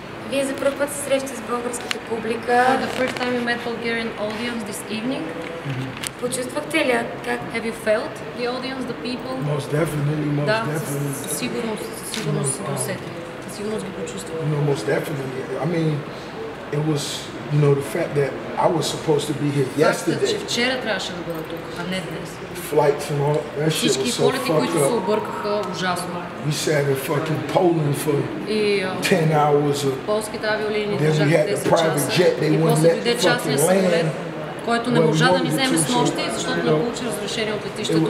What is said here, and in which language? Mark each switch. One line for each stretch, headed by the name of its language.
Bulgarian: Вие за първ път се срещате с българската публика.
English: The first time you met Bulgarian audience this evening.
Bulgarian: Почувствахте ли как?
English: Have you felt the audience, the people? Most definitely, most definitely.
Bulgarian: Да, със сигурност, със сигурност го усетих. Със сигурност ги почувствах.
English: No, most definitely. I mean, it was, you know, the fact that I was supposed to be here yesterday.
Bulgarian: Че вчера трябваше да бъда тук, а не днес.
English: Flight tomorrow. That shit was so fucked up. We sat in fucking Poland for 10 hours. Then we had the private jet. They wouldn't let the fucking land.
Bulgarian: Който не можа да ни вземе с нощи, защото не получи разрешение от летището.